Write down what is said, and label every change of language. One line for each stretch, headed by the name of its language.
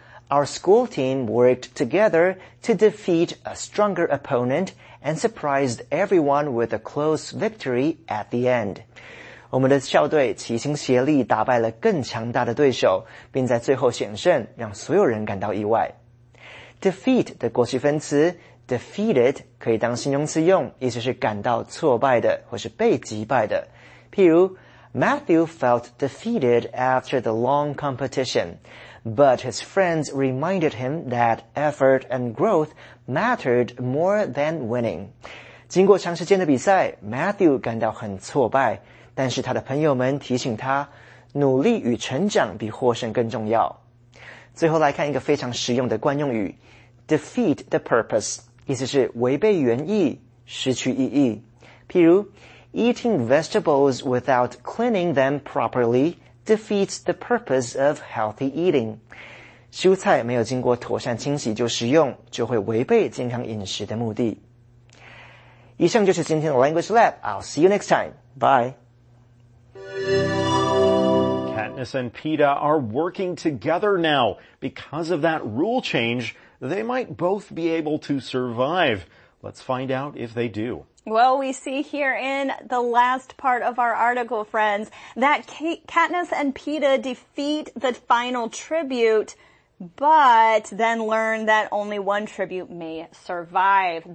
English: Our school team worked together to defeat a stronger opponent and surprised everyone with a close victory at the end.
Chinese: 我们的校队齐心协力打败了更强大的对手，并在最后险胜，让所有人感到意外。 Defeat 的过去分词 defeated 可以当形容词用，意思是感到挫败的或是被击败的。譬如
English: Matthew felt defeated after the long competition. But his friends reminded him that effort and growth mattered more than winning.
Chinese: 经过长时间的比赛 ,Matthew 感到很挫败,但是他的朋友们提醒他,努力与成长比获胜更重要。最后来看一个非常实用的惯用语 ,defeat the purpose, 意思是违背原意,失去意义。譬如
English: ,eating vegetables without cleaning them properly,defeats the purpose of healthy eating.
Chinese: 蔬菜没有经过妥善清洗就食用，就会违背健康饮食的目的。以上就是今天的 Language Lab.
English: I'll see you next time. Bye. Katniss and Peeta are working together now. Because of that rule change, they might both be able to survive. Let's find out if they do. Well, we see here in the last part of our article, friends, that Katniss and Peeta defeat the final tribute, but then learn that only one tribute may survive.